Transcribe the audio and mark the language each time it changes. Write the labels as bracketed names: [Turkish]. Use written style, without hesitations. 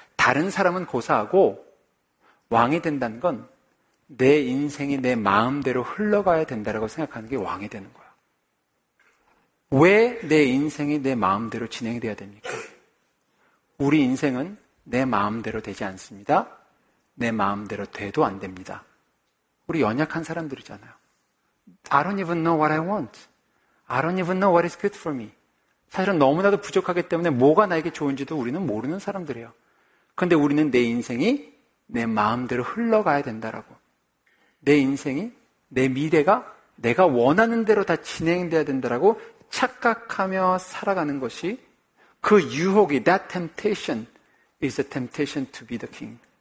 [Korean] 다른 사람은 고사하고 왕이 된다는 건 내 인생이 내 마음대로 흘러가야 된다라고 생각하는 게 왕이 되는 거예요. 왜 내 인생이 내 마음대로 진행이 돼야 됩니까? 우리 인생은 내 마음대로 되지 않습니다. 내 마음대로 돼도 안 됩니다. 우리 연약한 사람들이잖아요. [English] I don't even know what I want. I don't even know what is good for me. [Korean] 사실은 너무나도 부족하기 때문에 뭐가 나에게 좋은지도 우리는 모르는 사람들이에요. 그런데 우리는 내 인생이 내 마음대로 흘러가야 된다라고, 내 인생이 내 미래가 내가 원하는 대로 다 진행돼야 된다라고 착각하며 살아가는 것이 그 유혹이 [English] That temptation is a temptation to be the king.